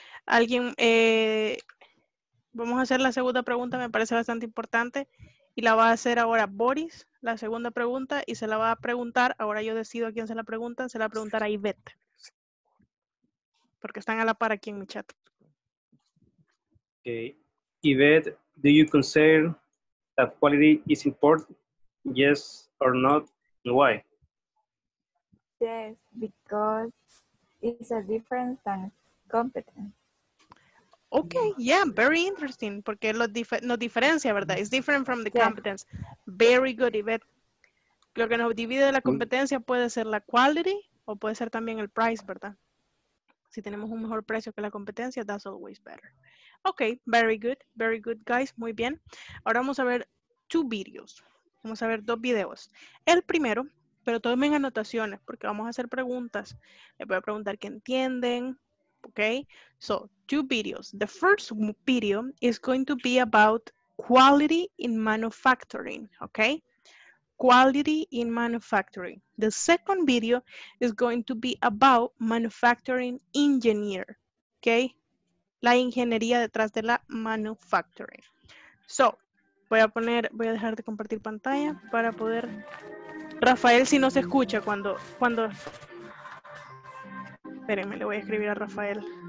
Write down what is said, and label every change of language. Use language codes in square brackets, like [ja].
[es] Alguien, vamos a hacer la segunda pregunta, me parece bastante importante. Y la va a hacer ahora Boris, la segunda pregunta, y se la va a preguntar, ahora yo decido a quién se la pregunta, se la va a preguntar a Ivette. Porque están a la par aquí en mi chat. Okay. [en] Ivette, do you consider that quality is important? Yes or not? And why? Yes, because it's a different than competence. Ok, yeah, very interesting, [es] porque lo diferencia, ¿verdad? [en] It's different from the competence. Very good, Yvette. [es] Lo que nos divide de la competencia puede ser la quality o puede ser también el price, ¿verdad? Si tenemos un mejor precio que la competencia, [en] that's always better. Ok, very good, guys, [es] muy bien. Ahora vamos a ver [en] two videos. [es] Vamos a ver dos videos. El primero, pero tomen anotaciones, porque vamos a hacer preguntas. Les voy a preguntar qué entienden. [en] Okay, so two videos. The first video is going to be about quality in manufacturing. Okay, quality in manufacturing. The second video is going to be about manufacturing engineer. [es] Okay, la ingeniería detrás de la manufacturing. So, voy a dejar de compartir pantalla para poder. Rafael, si no se escucha cuando. Espérenme, le voy a escribir a Rafael.